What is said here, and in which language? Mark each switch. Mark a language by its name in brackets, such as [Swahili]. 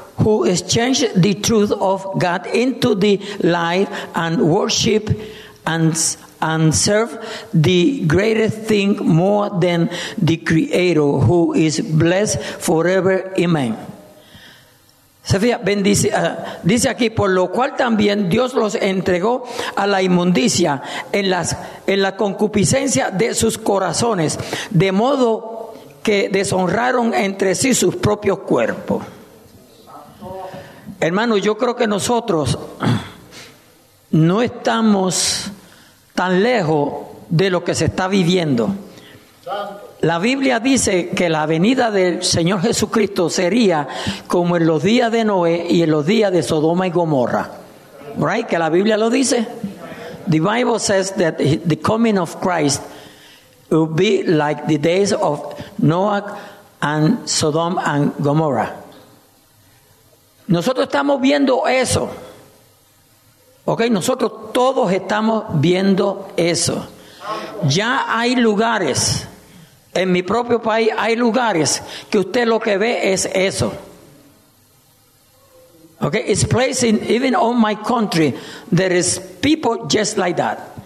[English] Who exchanged the truth of God into the lie and worship and and serve the greatest thing more than the Creator, who is blessed forever. Amen. [Spanish] Se fija, bendice, dice aquí, por lo cual también Dios los entregó a la inmundicia en la concupiscencia de sus corazones, de modo que deshonraron entre sí sus propios cuerpos. Hermano, yo creo que nosotros no estamos tan lejos de lo que se está viviendo. La Biblia dice que la venida del Señor Jesucristo sería como en los días de Noé y en los días de Sodoma y Gomorra. Right? Que la Biblia lo dice. [English] The Bible says that the coming of Christ will be like the days of Noah and Sodom and Gomorrah. [Spanish] Nosotros estamos viendo eso. Ok, nosotros todos estamos viendo eso. Ya hay lugares. En mi propio país hay lugares que usted lo que ve es eso. [English] Ok, it's placing, even on my country, there is people just like that.